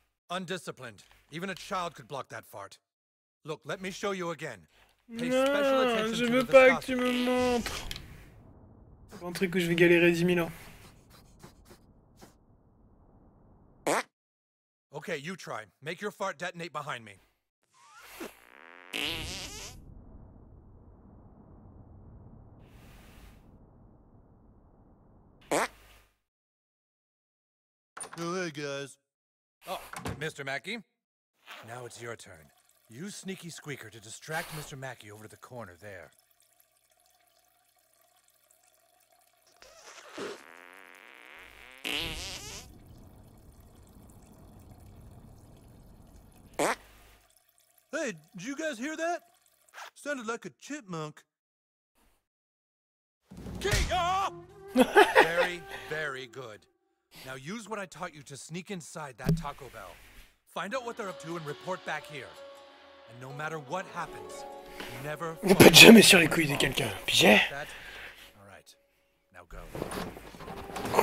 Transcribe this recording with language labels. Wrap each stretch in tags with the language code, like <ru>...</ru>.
<en>Undisciplined. Even a child could block that fart. Look, let me show you again.</en> <fr>Non, je veux pas que tu me montres. C'est un truc où je vais galérer 10 000 ans.</fr> <en>Ok, you try. Make your fart detonate behind me. Oh, hey, guys. Oh, Mr. Mackey. Now it's your turn. Use Sneaky Squeaker to distract Mr. Mackey over to the corner there. Hey, did you guys hear that? Sounded like a chipmunk. Kia! Very, very good. Now use what I taught you to sneak inside that Taco Bell. Find out what they're up to and report back here. And no matter what happens, never</en> <fr>ne pète jamais sur les couilles de quelqu'un.</fr> <en>Pigeon. All right. Now go.</en>